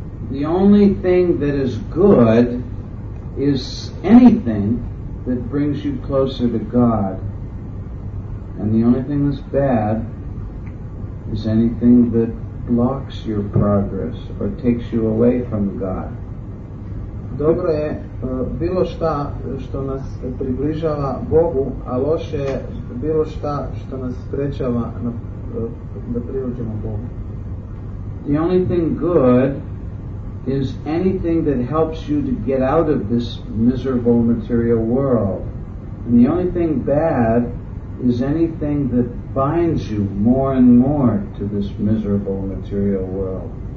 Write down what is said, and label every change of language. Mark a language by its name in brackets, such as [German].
[English] The only thing that is good is anything that brings you closer to God. And the only thing that's bad is anything that blocks your progress or takes you away from God. [Croatian] Dobro je bilo šta što nas približava Bogu, a loše je bilo šta što nas sprečava da priuđemo Bogu. [English] The only thing good is anything that helps you to get out of this miserable material world. And the only thing bad is anything that binds you more and more to this miserable material world.